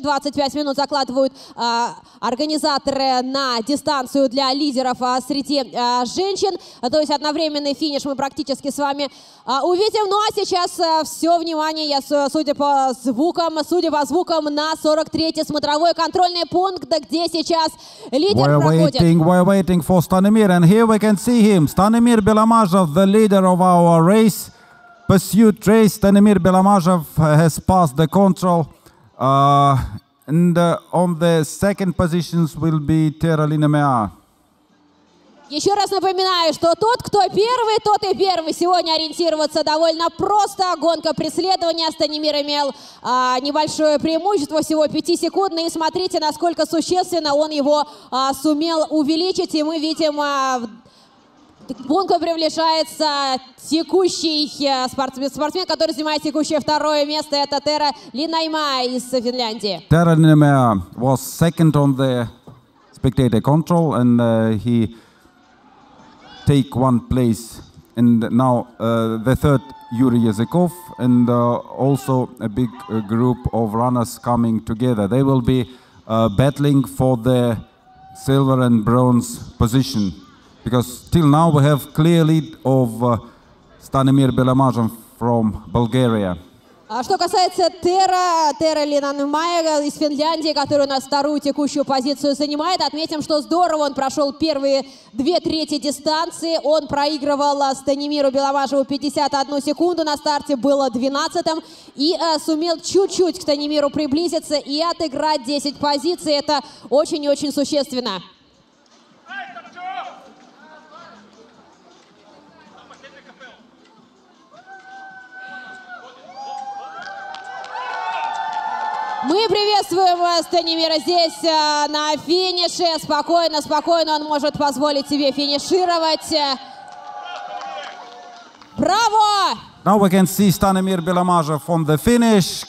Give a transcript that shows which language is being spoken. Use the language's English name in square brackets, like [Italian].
[Russian] 25 минут закладывают организаторы на дистанцию для лидеров среди женщин. То есть одновременный финиш мы практически с вами увидим. Ну а сейчас все внимание, судя по звукам, на 43-й смотровой контрольный пункт, где сейчас лидер проходит. [English] Stanimir, and here we can see him, Stanimir Belamazov, the leader of our race, pursuit race. Stanimir Belamazov has passed the control, and on the second positions will be Tera Linnemäe. [Russian] Еще раз напоминаю, что тот, кто первый, тот и первый. Сегодня ориентироваться довольно просто. Гонка преследования. Станимир имел небольшое преимущество, всего 5 секунд. И смотрите, насколько существенно он его сумел увеличить. И мы видим, гонка приближается текущий спортсмен, который занимает текущее второе место. Это Тера Линнемäe из Финляндии. [English] Tera Linnemäe was second on the spectator control, and he take one place, and now the third, Yuri Yazykov, and also a big group of runners coming together. They will be battling for the silver and bronze position, because till now we have clear lead of Stanimir Belamazov from Bulgaria. [Russian] Что касается Тера Линнемäe из Финляндии, который у нас вторую текущую позицию занимает, отметим, что здорово он прошел первые две трети дистанции. Он проигрывал Станимиру Беловажеву 51 секунду, на старте было 12-м, и сумел чуть-чуть к Станимиру приблизиться и отыграть 10 позиций. Это очень и очень существенно. Мы приветствуем Станимира здесь на финише. Спокойно, спокойно он может позволить себе финишировать. Браво! [English] Now we can see Stanimir Belamazov from the finish.